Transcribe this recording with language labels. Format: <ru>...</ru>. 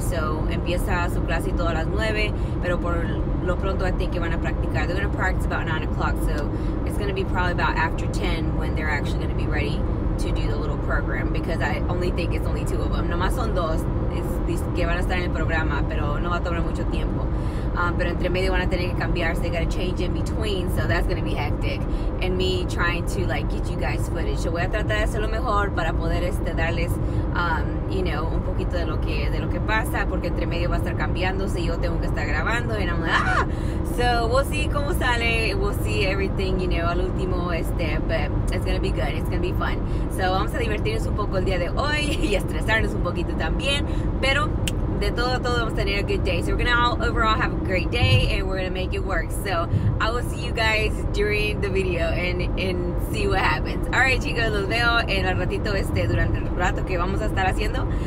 <es>So empieza su clase y todo a las 9. Pero por lo pronto,</es> <en>I think</en> <es>que van a practicar.</es> <en>They're gonna practice about 9:00. So it's gonna be probably about after 10 when they're actually gonna be ready to do the little program. Because I only think it's only two of them.</en> <es>Nomás son dos. Es que van a estar en el programa, pero no va a tomar mucho tiempo. Pero entre medio van a tener que cambiarse,</es> <en>they gotta change in between, so that's gonna be hectic. And me trying to like get you guys footage.</en> <es>So voy a tratar de hacer lo mejor para poder este, darles,</es> <en>you know,</en> <es>un poquito de lo que pasa, porque entre medio va a estar cambiándose y yo tengo que estar grabando.</es> <en>And I'm like, ah! So we'll see</en> <es>cómo sale,</es> <en>we'll see everything, you know,</en> <es>al último, este,</es> <en>but it's gonna be good, it's gonna be fun.</en> <es>So vamos a divertirnos un poco el día de hoy y estresarnos un poquito también, pero de todo a todo vamos a tener</es> <en>a good day. So we're gonna all overall have a great day and we're gonna make it work. So I will see you guys during the video and see what happens.</en> <es>Alright chicos, los veo en el ratito este, durante el rato que vamos a estar haciendo.</es>